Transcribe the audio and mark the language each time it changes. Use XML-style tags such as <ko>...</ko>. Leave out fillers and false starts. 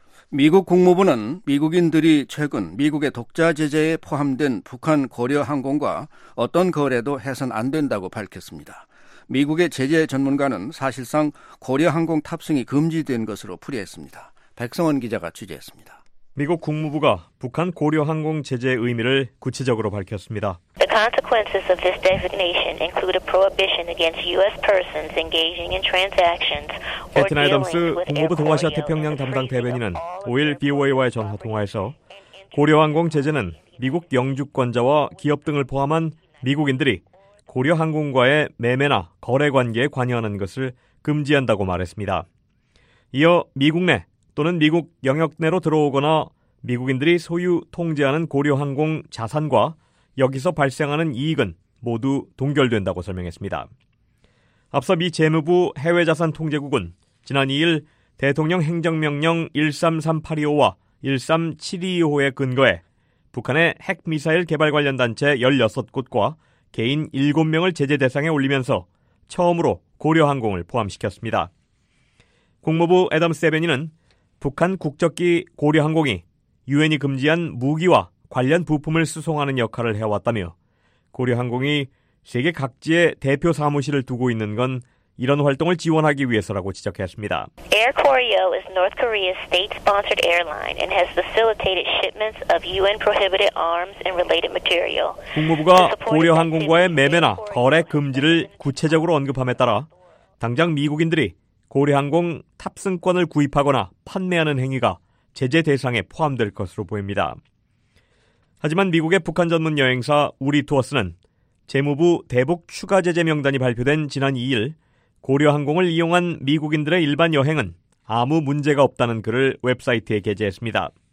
<ko>미국 국무부는 미국인들이 최근 미국의 독자 제재에 포함된 북한 고려 항공과 어떤 거래도 해선 안 된다고 밝혔습니다. 미국의 제재 전문가는 사실상 고려 항공 탑승이 금지된 것으로 풀이했습니다. 백성원 기자가 취재했습니다. 미국 국무부가 북한 고려 항공 제재의 의미를 구체적으로 밝혔습니다.</ko> <en>The consequences of this designation include a prohibition against U.S. persons engaging in transactions or dealing with air cargo.</en> <ko>애덤스 국무부 동아시아 태평양 담당 대변인은 5일 BOA와의 전화 통화에서 고려 항공 제재는 미국 영주권자와 기업 등을 포함한 미국인들이 고려 항공과의 매매나 거래 관계에 관여하는 것을 금지한다고 말했습니다. 이어 미국 내 또는 미국 영역 내로 들어오거나 미국인들이 소유 통제하는 고려항공 자산과 여기서 발생하는 이익은 모두 동결된다고 설명했습니다. 앞서 미 재무부 해외자산통제국은 지난 2일 대통령 행정명령 133825와 13725에 근거해 북한의 핵미사일 개발 관련 단체 16곳과 개인 7명을 제재 대상에 올리면서 처음으로 고려항공을 포함시켰습니다. 국무부 애덤스 대변인은 북한 국적기 고려항공이 유엔이 금지한 무기와 관련 부품을 수송하는 역할을 해왔다며 고려항공이 세계 각지에 대표 사무실을 두고 있는 건 이런 활동을 지원하기 위해서라고 지적했습니다.</ko> <en>Air Koryo is North Korea's state-sponsored airline and has facilitated shipments of UN prohibited arms and related material.</en> <ko>국무부가 고려항공과의 매매나 거래 금지를 구체적으로 언급함에 따라 당장 미국인들이 고려항공 탑승권을 구입하거나 판매하는 행위가 제재 대상에 포함될 것으로 보입니다. 하지만 미국의 북한 전문 여행사 우리투어스는 재무부 대북 추가 제재 명단이 발표된 지난 2일 고려항공을 이용한 미국인들의 일반 여행은 아무 문제가 없다는 글을 웹사이트에 게재했습니다.</ko>